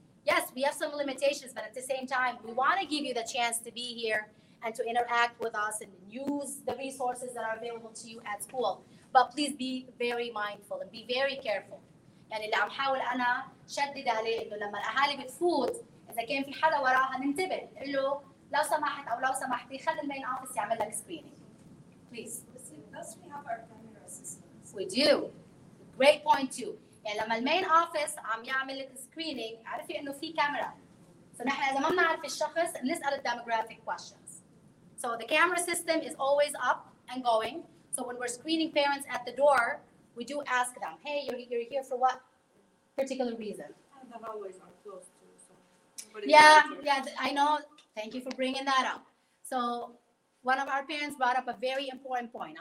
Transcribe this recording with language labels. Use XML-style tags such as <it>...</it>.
<en>Yes, we have some limitations, but at the same time, we want to give you the chance to be here and to interact with us and use the resources that are available to you at school. But please be very mindful and be very careful.</en> <ar>يعني اللي عم حاول أنا شدد عليه إنه لما الأهالي بتفوت إذا كان في حدا وراها ننتبه نقول له لو سمحت أو لو سمحتي خلي المين أوفيس يعمل لك screening.</ar> <en>Please. We have our We do. Great point too.</en> <ar>يعني لما المين اوفيس عم يعمل لك سكرينينج عرفي انه في كاميرا. فنحن اذا ما بنعرف الشخص بنسال الديموغرافيك كويشنز.</ar> <en>So the camera system is always up and going. So when we're screening parents at the door, we do ask them, hey, you're here for what particular reason? And the hallways are closed too. So I know. Thank you for bringing that up. So one of our parents brought up a very important point.</en>